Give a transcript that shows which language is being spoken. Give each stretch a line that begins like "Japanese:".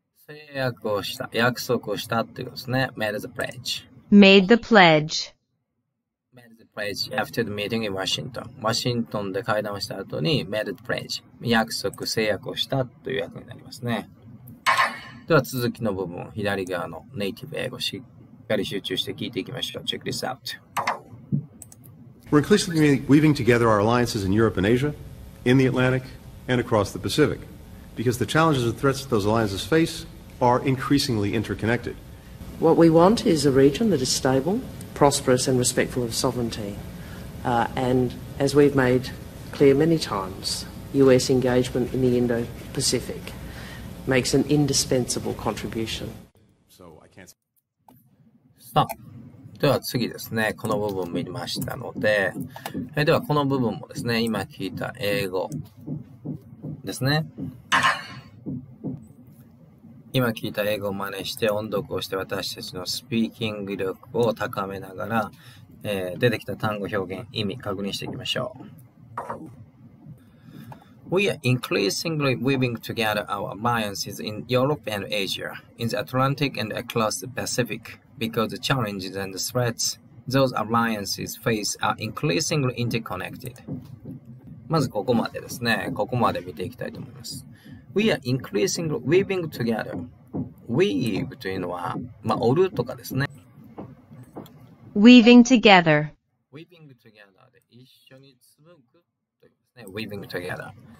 Japanese: 制約をした、約束をしたということですね。
English: made the pledge、 made the pledge、 made the pledge after the meeting in Washington.
Japanese: ワシントンで会談をした後に
English: made the pledge.
Japanese: 約束、制約をしたという訳になりますね。では続きの部分、左側のネイティブ英語しっかり集中して聞いていきましょう。
English: Check this out. We're increasingly weaving together our alliances in Europe and Asia, in the Atlantic, and across the Pacific, because the challenges and threats that those alliances face are increasingly interconnected. What we want is a region that is stable,prosperous and respectful of sovereignty. And as we've made clear many times, US engagement in the Indo-Pacific makes an indispensable contribution. So I can't...
Japanese: さあ、では次ですね、この部分見ましたので、ではこの部分もですね、今聞いた英語ですね。今聞いた英語を真似して音読をして私たちのスピーキング力を高めながら、出てきた単語表現意味確認していきましょう。
English: We are increasingly weaving together our alliances in Europe and Asia, in the Atlantic and across the Pacific, because the challenges and the threats those alliances face are increasingly interconnected.
Japanese: まずここまでですね。ここまで見ていきたいと思います。
English: We are increasingly weaving together. Weave
Japanese: というのは、まあ、織るとかですね。
English: Weaving together. Weaving together
Japanese: で一緒に紡ぐというですね。Weaving together.